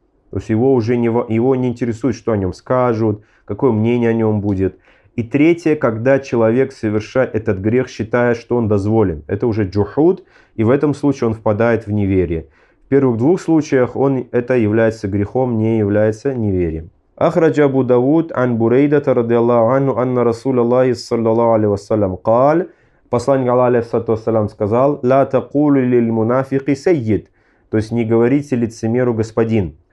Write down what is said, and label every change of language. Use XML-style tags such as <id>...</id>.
<ru>То есть его уже не интересует, что о нем скажут, какое мнение о нем будет. И третье, когда человек совершает этот грех, считая, что он дозволен. Это уже джухуд, и в этом случае он впадает в неверие. В первых двух случаях он это является грехом, не является неверием.</ru> <ar>أخرج أبو داود عن بريدة رضي الله عنه أن رسول الله صلى الله عليه وسلم قال</ar> <ru>посланник Аллаха алейхи салату вассалям сказал</ru> <ar>لا تقول للمنافق سيد.</ar> <ru>То есть не говорите лицемеру господин.</ru>